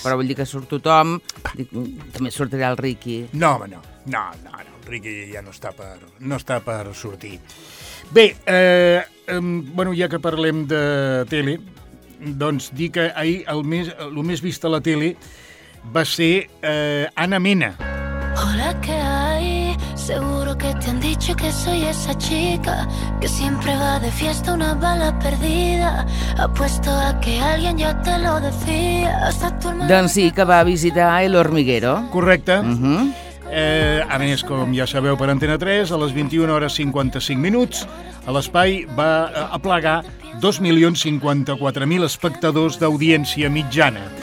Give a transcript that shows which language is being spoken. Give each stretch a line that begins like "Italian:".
Catalan: Però vull dir que surt tothom, també sortirà el Ricky. No, el Ricky ja no està per sortir. Bé, bueno, ja que parlem de tele, doncs dir que ahir el més vist a la tele... va ser Ana Mena.
Spanish: Hola, ¿qué hay? Seguro que te han dicho que soy esa chica que siempre va de fiesta una bala perdida. Apuesto a que alguien ya te lo decía. Hasta tu hermana...
Catalan: Doncs sí, que va visitar El Hormiguero. Correcte. Uh-huh. A més, com ja sabeu, per Antena 3, a les 21 hores 55 minuts, a l'espai va aplegar 2.054.000 espectadors d'audiència mitjana.